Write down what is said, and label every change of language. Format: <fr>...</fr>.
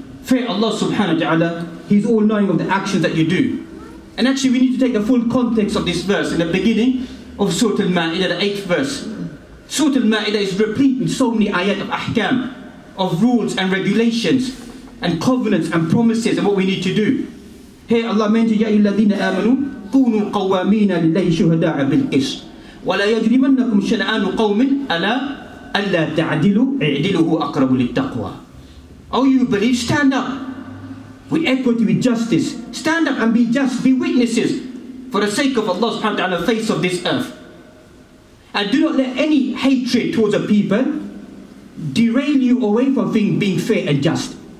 <en>Fear Allah subhanahu wa ta'ala, He's all knowing of the actions that you do. And actually we need to take the full context of this verse in the beginning of Surah Al-Ma'idah, the 8th verse. Surah Al-Ma'idah is replete with so many ayat of ahkam, of rules and regulations and covenants and promises and what we need to do. Here Allah mentioned,</en> <ar>يَا إِلَّذِينَ آمَنُوا كُونُوا قَوَّامِينَ لِلَّهِ شُهَدَاءَ بِالْقِسْطِ وَلَا يَجْرِمَنَّكُمْ شَنَآنُ قَوْمٍ أَلَا أَلَّا تَعْدِلُوا اِعْدِلُهُ أَقْرَبُ لِلتَّقْوَى.</ar> <en>Oh, you believe, stand up with equity, with justice. Stand up and be just, be witnesses for the sake of Allah subhanahu wa ta'ala on the face of this earth. And do not let any hatred towards a people derail you away from being fair and just.</en>